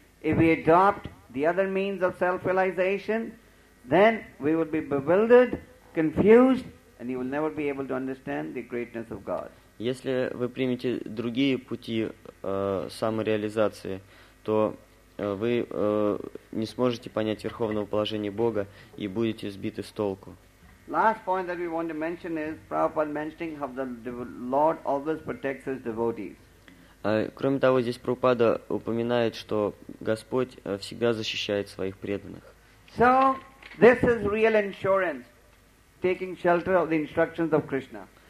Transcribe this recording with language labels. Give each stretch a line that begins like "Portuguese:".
English: If we adopt the other means of self-realization, then we would be bewildered, confused, and you will never be able to understand the greatness of God.
Russian: Если вы примете другие пути самореализации, то вы не сможете понять верховного положения Бога и будете сбиты с толку.
English: Last point that we want to mention is Prabhupada mentioning how the Lord always protects his devotees.
Russian: Кроме того, здесь Прабхупада упоминает, что Господь всегда защищает своих преданных.
English: So, this is real insurance, taking shelter of the instructions of Krishna.